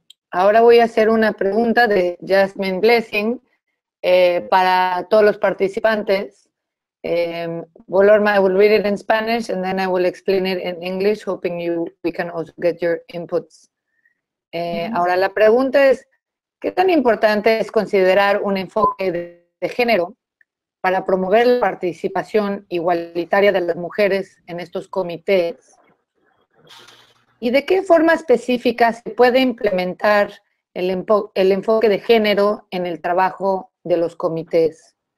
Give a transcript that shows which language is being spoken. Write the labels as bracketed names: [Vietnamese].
[Spanish] Ahora voy a hacer una pregunta de Jasmine Blessing para todos los participantes. [English] I will read it in Spanish and then I will explain it in English, hoping we can also get your inputs. [Spanish] Ahora la pregunta es, ¿qué tan importante es considerar un enfoque de género para promover la participación igualitaria de las mujeres en estos comités? ¿Y de qué forma específica se puede implementar el enfoque de género en el trabajo de los comités?